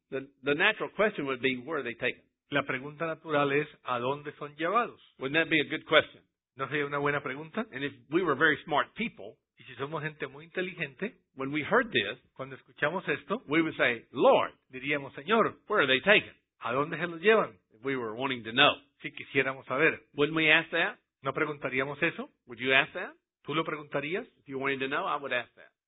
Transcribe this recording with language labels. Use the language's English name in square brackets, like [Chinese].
[English] the natural question would be, where are they taken? [Spanish] La pregunta natural es, ¿a dónde son llevados? [English] Wouldn't that be a good question? [Spanish] ¿No sería una buena pregunta? [English] And if we were very smart people, [Spanish] y si somos gente muy inteligente, [English] when we heard this, [Spanish] cuando escuchamos esto, [English] we would say, Lord, [Spanish] diríamos, Señor, [English] where are they taken? [Spanish] ¿A dónde se los llevan? [English] If we were wanting to know. [Spanish] Si quisiéramos saber. [English] Wouldn't we ask that? [Spanish] ¿No preguntaríamos eso? [English] Would you ask that? [Spanish] ¿Tú lo preguntarías? [English] If you wanted to know, I would ask that.